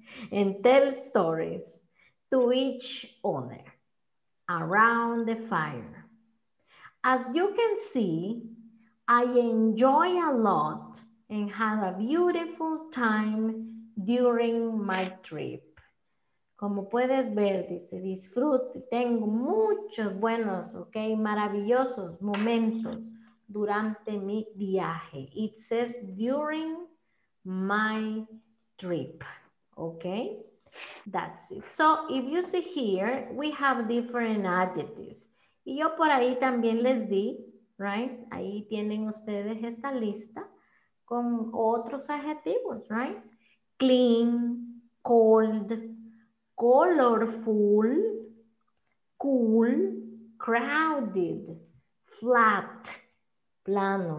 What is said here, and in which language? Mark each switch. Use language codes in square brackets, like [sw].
[en] And tell stories to each other around the fire. As you can see, I enjoy a lot and have a beautiful time during my trip. [es] Como puedes ver, dice, disfruto, tengo muchos buenos, okay, maravillosos momentos durante mi viaje. [en] It says during my trip. Okay, that's it. So if you see here, we have different adjectives. [es] Y yo por ahí también les di, right? Ahí tienen ustedes esta lista con otros adjetivos, right? [en] Clean, cold, colorful, cool, crowded, flat, plano.